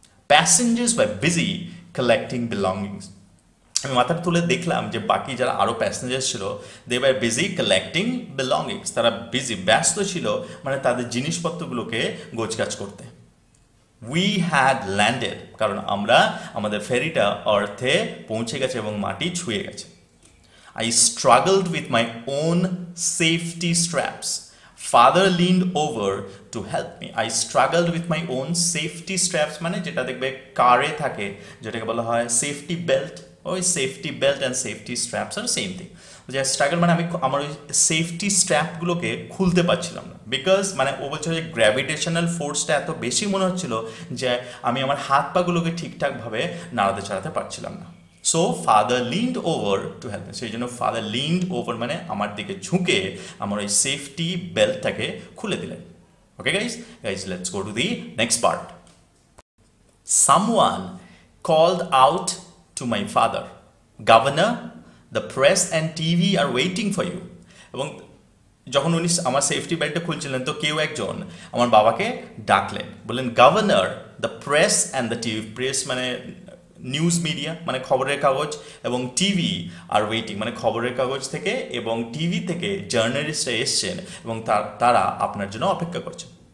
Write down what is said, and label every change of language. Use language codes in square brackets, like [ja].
[en] passengers were busy collecting belongings, [bn] আমি মাথাটা তুলে দেখলাম যে বাকি যারা আরও প্যাসেঞ্জার ছিল [en] they were busy collecting belongings, [bn] তারা বিজি ব্যস্ত ছিল মানে তাদের জিনিসপত্রগুলোকে গোছগাছ করতে। [en] We had landed, [bn] কারণ আমরা আমাদের ফেরিটা অর্থে পৌঁছে গেছে এবং মাটি ছুঁয়ে গেছে। [en] I struggled with my own safety straps. Father leaned over to help me. I struggled with my own safety straps, [bn] মানে যেটা দেখবে কারে থাকে যেটাকে বলা হয় সেফটি বেল্ট, ওই safety belt and safety straps আর same thing, যে স্ট্রাগল মানে আমি আমার ওই সেফটি স্ট্র্যাপগুলোকে খুলতে পারছিলাম না, বিকজ মানে ও বলছিল যে গ্র্যাভিটেশনাল ফোর্সটা এত বেশি মনে হচ্ছিল যে আমি আমার হাত পাগুলোকে ঠিকঠাকভাবে নাড়াতে চাড়াতে পারছিলাম না। [en] so father leaned over to help, [bn] সেই জন্য ফাদার লিন্ড ওভার মানে আমার দিকে ঝুঁকে আমার ওই সেফটি বেল্টটাকে খুলে দিলেন। [en] Okay guys, guys let's go to the next part. Someone called out to my father, governor, The press and TV are waiting for you. [bn] এবং যখন উনি আমার সেফটি বেল্টটা খুলছিলেন, তো কেউ একজন আমার বাবাকে ডাকলেন, বললেন, governor, [en] the press and the TV, [bn] press মানে নিউজ মিডিয়া মানে খবরের কাগজ, এবং টিভি আর ওয়েটিং মানে খবরের কাগজ থেকে এবং টিভি থেকে জার্নালিস্টরা এসছেন এবং তারা আপনার জন্য অপেক্ষা করছেন।